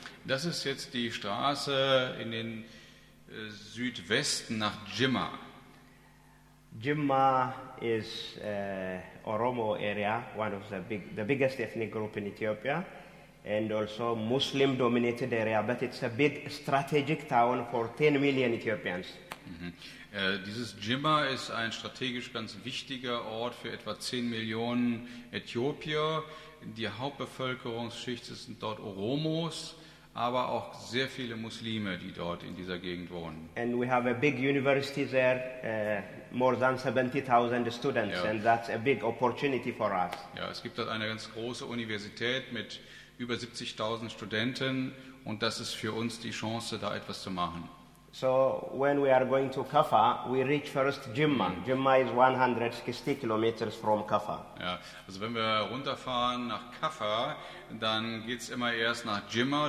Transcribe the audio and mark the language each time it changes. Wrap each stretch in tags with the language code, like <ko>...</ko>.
<de>Das ist jetzt die Straße in den Südwesten nach Jimma.</de> <en>Jimma is Oromo area, one of the biggest ethnic group in Ethiopia, and also Muslim-dominated area. But it's a big strategic town for 10 million Ethiopians.</en> <de>Dieses Jimma ist ein strategisch ganz wichtiger Ort für etwa 10 Millionen Äthiopier. Die Hauptbevölkerungsschicht sind dort Oromos, aber auch sehr viele Muslime, die dort in dieser Gegend wohnen.</de> <en>And we have a big university there, more than 70,000 students, ja. And that's a big opportunity for us.</en> <de>Ja, es gibt dort eine ganz große Universität mit über 70.000 Studenten und das ist für uns die Chance, da etwas zu machen.</de> <en>So when we are going to Kaffa, we reach first Jimma. Jimma is 160 kilometers from Kaffa.</en> <de>Ja, also wenn wir runterfahren nach Kaffa, dann geht es immer erst nach Jimma.</de>